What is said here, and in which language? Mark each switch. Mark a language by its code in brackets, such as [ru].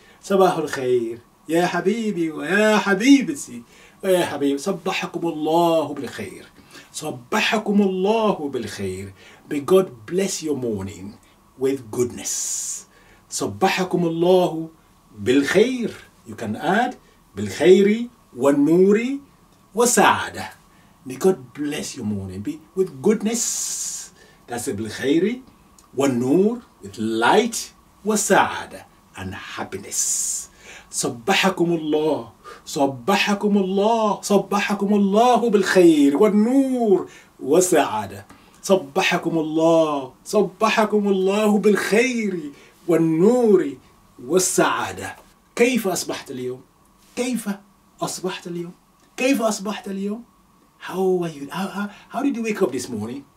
[ar] صباح الخير يا حبيبي ويا حبيبتي. يا حبيب صبحكم الله بالخير. صبحكم الله بالخير. [en] May God bless your morning with goodness. [ar] صبحكم الله بالخير. [en] You can add [ar] بالخير والنور وسعادة. [en] May God bless your morning with goodness. That's [ar] بالخير والنور [en] with light [ar] وسعادة [en] and happiness. [ar] صبحكم الله صبحكم الله صبحكم الله بالخير والنور والسعادة. صبحكم الله صبحكم الله بالخير والنور والسعادة. كيف أصبحت اليوم؟ كيف أصبحت اليوم؟ كيف أصبحت اليوم؟ [en] How did you wake up this morning?